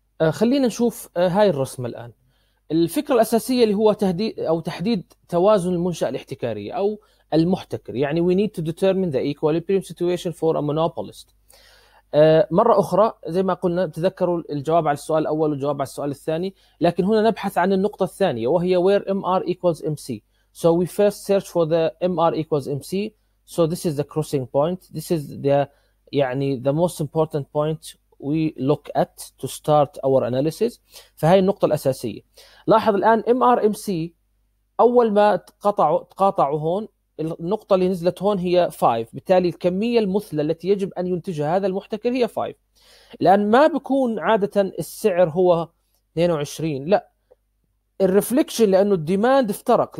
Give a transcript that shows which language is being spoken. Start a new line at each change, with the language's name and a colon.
Arabic: خلينا نشوف هاي الرسمة الآن. الفكرة الأساسية اللي هو تحديد توازن المنشأة الاحتكارية أو المحتكر، يعني
English: we need to determine the equilibrium situation for a monopolist.
Arabic: مرة أخرى زي ما قلنا، تذكروا الجواب على السؤال الأول والجواب على السؤال الثاني، لكن هنا نبحث عن النقطة الثانية وهي
English: where MR equals MC. So we first search for the MR equals MC. So this is the crossing point. This is the
Arabic: يعني
English: the most important point we look at to start our analysis.
Arabic: فهي النقطة الأساسية. لاحظ الآن MR MC أول ما تقاطعوا هون، النقطة اللي نزلت هون هي 5، بالتالي الكمية المثلى التي يجب أن ينتجها هذا المحتكر هي 5. لأن ما بكون عادة السعر هو 22، لا، الرفليكشن لأنه الديماند افترق.